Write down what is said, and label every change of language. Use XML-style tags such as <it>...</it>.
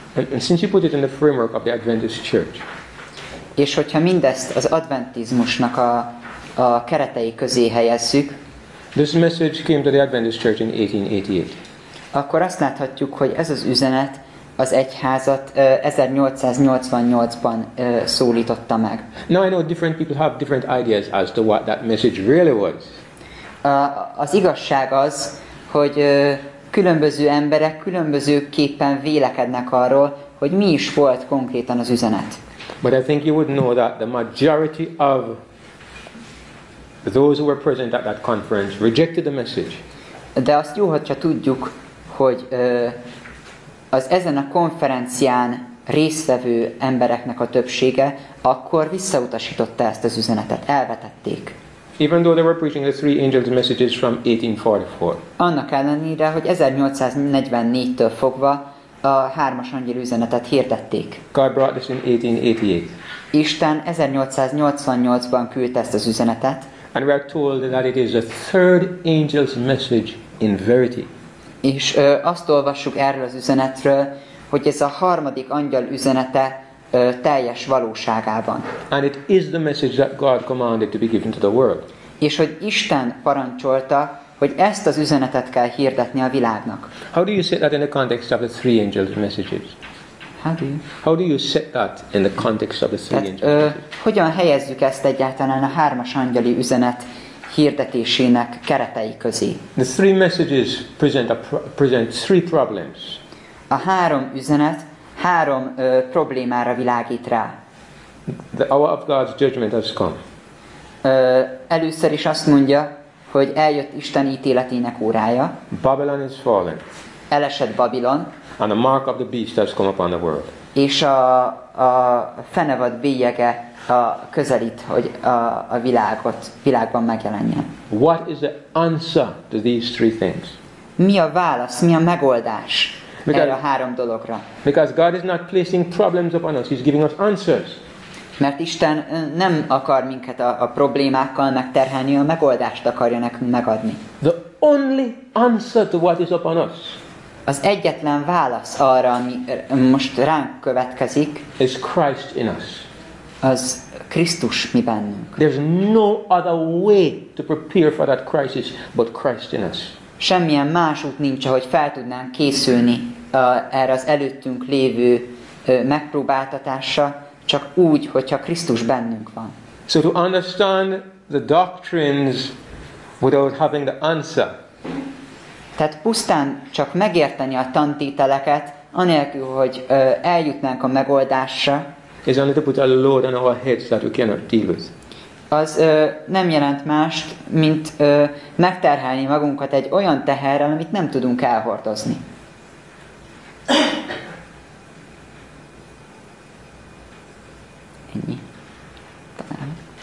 <en>And since you put it in the framework of the Adventist Church.</en> <hu>És hogyha mindezt az adventizmusnak a keretei közé helyezzük,</hu> <en>this message came to the Adventist Church in 1888.</en> <hu>Akkor azt láthatjuk, hogy ez az üzenet az egyházat 1888-ban szólította meg.</hu> <en>Now I know different people have different ideas as to what that message really was.</en> <hu>Az igazság az, hogy különböző emberek különbözőképpen vélekednek arról, hogy mi is volt konkrétan az üzenet.</hu> <en>But I think you would know that the majority of those who were present at that conference rejected the message.</en> <hu>De azt jó, hogyha tudjuk, hogy az ezen a konferencián résztvevő embereknek a többsége akkor visszautasította ezt az üzenetet, elvetették.</hu> <en>Even though they were preaching the three angels' messages from 1844.</en> <hu>Annak ellenére, hogy 1844-től fogva a hármas angyal üzenetet hirdették.</hu> <en>God brought this in 1888.</en> <hu>Isten 1888-ban küldte ezt az üzenetet.</hu> <en>And we are told that it is the third angel's message in verity.</en> <hu>És azt olvassuk erről az üzenetről, hogy ez a harmadik angyal üzenete teljes valóságában.</hu> <en>And it is the message that God commanded to be given to the world.</en> <hu>És hogy Isten parancsolta, hogy ezt az üzenetet kell hirdetni a világnak.</hu> <en>How do you set that in the context of the three angels' messages? How do you set that in the context of the three angels' messages?</en> <hu>Hogyan helyezzük ezt egyáltalán a hármas angyali üzenet hirdetésének keretei közé?</hu> <en>The three messages present three problems.</en> <hu>A három üzenet három problémára világít rá.</hu> <en>The hour of God's judgment has come.</en> <hu>Először is azt mondja, hogy eljött Isten ítéletének órája.</hu> <en>Babylon is fallen.</en> <hu>Elesett Babilon.</hu> <en>And the mark of the beast has come upon the world.</en> <hu>És a fenevad bélyege közelít, hogy a világot, világban megjelenjen.</hu> <en>What is the answer to these three things?</en> <hu>Mi a válasz, mi a megoldás erre a három dologra?</hu> <en>Because God is not placing problems upon us, he's giving us answers.</en> <hu>Mert Isten nem akar minket a problémákkal megterhelni, a megoldást akarja nekünk megadni.</hu> <en>The only answer to what is upon us.</en> <hu>Az egyetlen válasz arra, ami most ránk következik,</hu> <en>is Christ in us.</en> <hu>Az Krisztus mi bennünk.</hu> <en>There's no other way to prepare for that crisis but Christ in us.</en> <hu>Semmilyen más út nincs, hogy fel tudnánk készülni erre az előttünk lévő megpróbáltatásra, csak úgy, hogyha Krisztus bennünk van.</hu> <en>So to understand the doctrines without having the answer.</en> <hu>Tehát pusztán csak megérteni a tantételeket, anélkül, hogy eljutnánk a megoldásra,</hu> <en>is only to put a load on our heads that we cannot deal with.</en> <hu>Az nem jelent mást, mint megterhelni magunkat egy olyan teherrel, amit nem tudunk elhordozni. Ennyi. Talán.</hu>